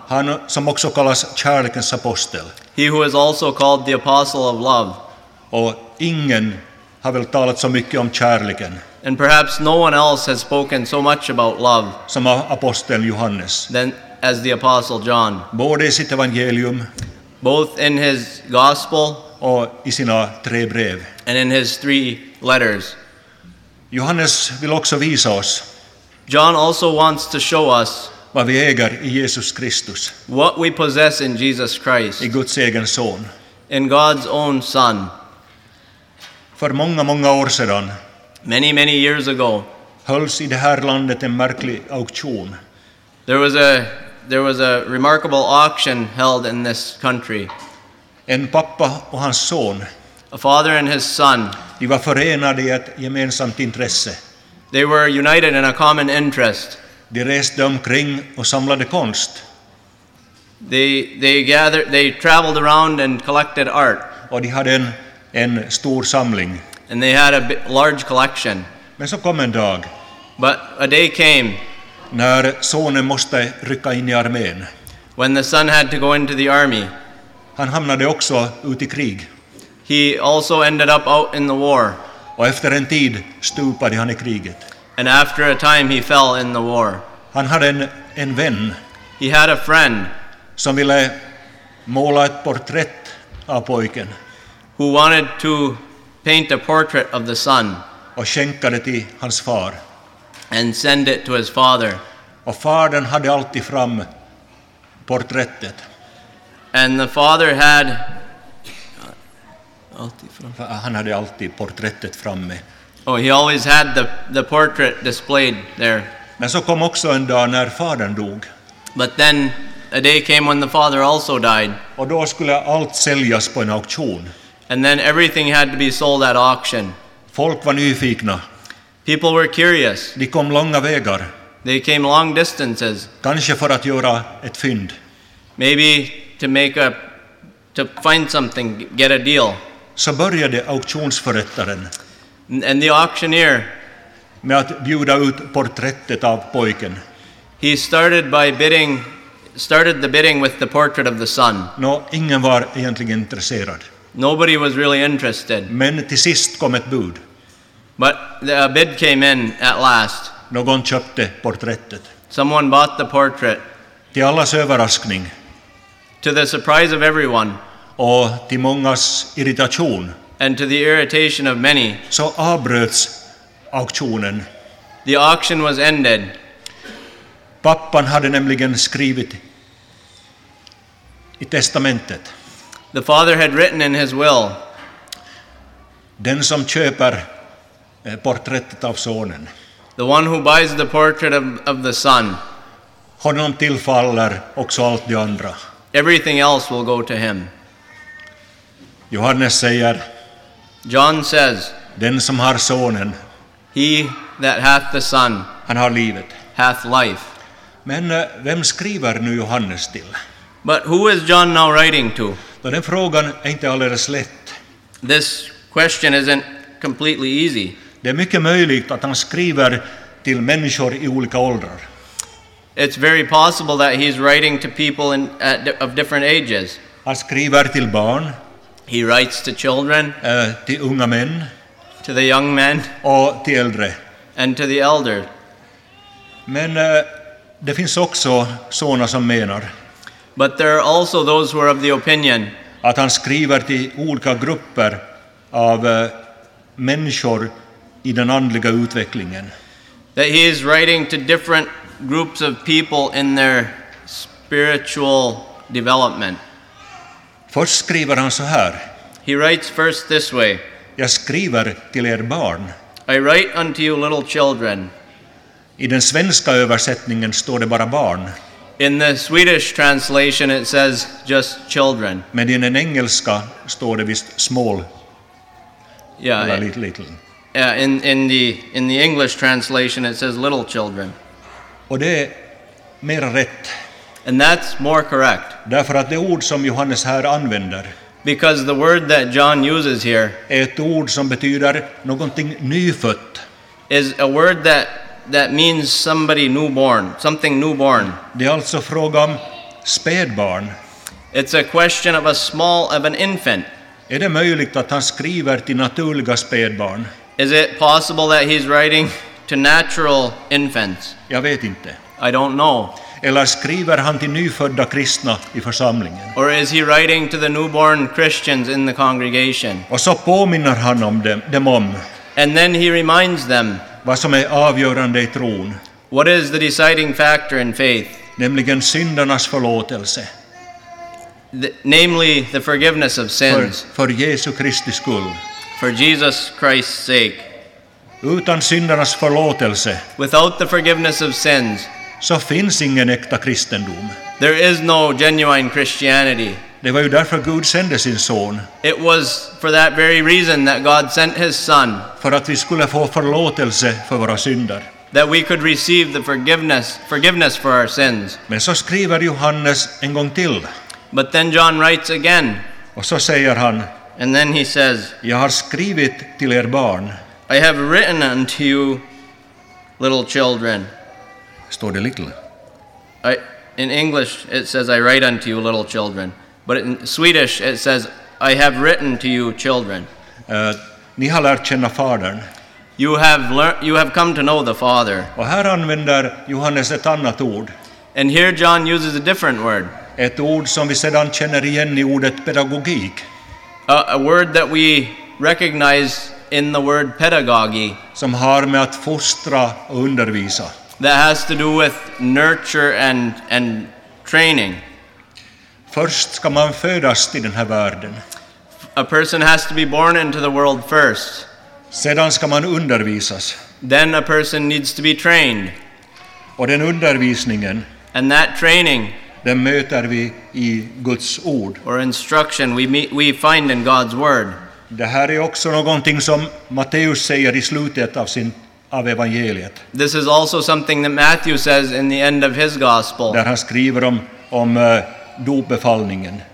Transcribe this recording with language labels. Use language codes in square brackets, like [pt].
[sv] Han som också kallas kärlekens apostel. [en] He who is also called the apostle of love. [sv] Och ingen har väl talat så mycket om kärleken. [en] And perhaps no one else has spoken so much about love [sv] som apostel Johannes [en] than as the apostle John. [sv] Både i sitt evangelium, [en] both in his gospel [sv] och i sina tre brev, [en] and in his three letters. [sv] Johannes vill också visa oss. [en] John also wants to show us [sv] vad vi äger i Jesus Kristus. [en] What we possess in Jesus Christ. [sv] I Guds egen son. [en] In God's own son. [sv] För många år sedan. [en] Many, many years ago. [sv] hölls i det här landet en märklig auktion. [en] There was a remarkable auction held in this country. [sv] En pappa och hans son. [en] A father and his son. [sv] De var förenade i ett gemensamt intresse. [en] They were united in a common interest. [sv] De reste omkring och samlade konst. [en] They traveled around and collected art. [sv] Och de hade en stor samling. [en] And they had a large collection. [sv] Men så kom en dag. [en] But a day came. [sv] När sonen måste rycka in i armén. [en] When the son had to go into the army. [sv] Han hamnade också ut i krig. [en] He also ended up out in the war. [sv] Och efter en tid stupade han i kriget. [en] And after a time he fell in the war. [sv] Han hade en vän. [en] He had a friend. [sv] Som ville måla ett porträtt av pojken. [en] Who wanted to paint a portrait of the son. [sv] Och skänka det till hans far. [en] And send it to his father. [sv] Och fadern hade alltid fram porträttet. [en] And the father had... [sv] Han hade alltid porträttet framme. [en] Oh, he always had the portrait displayed there. [sv] Men så kom också en dag när fadern dog. [en] But then a day came when the father also died. [sv] Och då skulle allt säljas på en auktion. [en] And then everything had to be sold at auction. [sv] Folk var nyfikna. [en] People were curious. [sv] De kom långa vägar. [en] They came long distances. [sv] Kanske för att göra ett fynd. [en] Maybe to make a to find something, get a deal. [sv] Så började auktionsförrättaren. [en] And the auctioneer [sv] med att bjuda ut porträttet av pojken. [en] He started the bidding with the portrait of the son. [sv] No, ingen var egentligen intresserad. [en] Nobody was really interested. [sv] Men till sist kom ett bud. [en] But a bid came in at last. [sv] Någon köpte porträttet. [en] Someone bought the portrait. [sv] Till allas överraskning. [en] To the surprise of everyone. [sv] Och till mångas irritation. [en] And to the irritation of many. [sv] Så avbröts auktionen. [en] The auction was ended. [sv] Pappan hade nämligen skrivit i testamentet. [en] The father had written in his will. [sv] Den som köper porträttet av sonen. [en] The one who buys the portrait of the son. [sv] Honom tillfaller också allt det andra. [en] Everything else will go to him. [sv] Johannes säger. [en] John says. [sv] Den som har sonen. [en] He that hath the son. [sv] Han har livet. [en] Hath life. [sv] Men vem skriver nu Johannes till? [en] But who is John now writing to? [sv] Och den frågan är inte alldeles lätt. [en] This question isn't completely easy. [sv] Det är mycket möjligt att han skriver till människor i olika åldrar. [en] It's very possible that he's writing to people of different ages. [sv] Han skriver till barn. [en] He writes to children. [sv] Till unga män. [en] To the young men. [sv] Och till äldre. [en] And to the elder. [sv] Men det finns också såna som menar. [en] But there are also those who are of the opinion [sv] att han skriver till olika grupper av människor i den andliga utvecklingen. [en] That he is writing to different groups of people in their spiritual development. [sv] Först skriver han så här. [en] He writes first this way. [sv] Jag skriver till er barn. [en] I write unto you little children. [sv] I den svenska översättningen står det bara barn. [en] In the Swedish translation it says just children. [sv] Men i den engelska står det visst small. [en] Yeah, little. Yeah, in the English translation it says little children. [sv] Och det är mer rätt. [en] And that's more correct. [sv] Därför att det ord som Johannes här använder. [en] Because the word that John uses here [sv] är ett ord som betyder någonting nyfött. [en] Is a word that means somebody newborn, something newborn. [sv] Det är alltså fråga om spädbarn. [en] It's a question of an infant. [sv] Är det möjligt att han skriver till naturliga spädbarn? [en] Is it possible that he's writing to natural infants? [sv] Jag vet inte. [en] I don't know. [sv] Eller skriver han till nyfödda kristna i församlingen? [en] Or is he writing to the newborn Christians in the congregation? [sv] Och så påminner han om dem om. [en] And then he reminds them. [sv] Vad som är avgörande i tron. [en] What is the deciding factor in faith? [sv] Nämligen syndernas förlåtelse. [en] Namely the forgiveness of sins. [sv] För Jesu Kristi skull. [en] For Jesus Christ's sake. [sv] Utan syndernas förlåtelse. [en] Without the forgiveness of sins. [sv] Så finns ingen äkta kristendom. [en] There is no genuine Christianity. [sv] Det var ju därför Gud sände sin son. [en] It was for that very reason that God sent his son. [sv] För att vi skulle få förlåtelse för våra synder. [en] That we could receive the forgiveness for our sins. [sv] Men så skriver Johannes en gång till. [en] But then John writes again. [sv] Och så säger han. [en] And then he says. [sv] Jag har skrivit till er barn. [en] I have written unto you, little children. [sv] Står det little? [en] In English it says, I write unto you, little children. But in Swedish it says, I have written to you, children. [sv] Ni har lärt känna fadern. [en] You have come to know the Father. [sv] Och här använder Johannes ett annat ord. [en] And here John uses a different word. [sv] Ett ord som vi sedan känner igen i ordet pedagogik. [en] A word that we recognize in the word pedagogy. [sv] Som har med att fostra och undervisa. [en] That has to do with nurture and training. [sv] Först ska man födas till den här världen. [en] A person has to be born into the world first. [sv] Sedan ska man undervisas. [en] Then a person needs to be trained. [sv] Och den undervisningen. [en] And that training. [sv] Den möter vi i Guds ord. [en] Or instruction we find in God's word. [sv] Det här är också någonting som Matteus säger i slutet av av evangeliet. [en] This is also something that Matthew says in the end of his gospel. [sv] Där han skriver om dopbefallningen.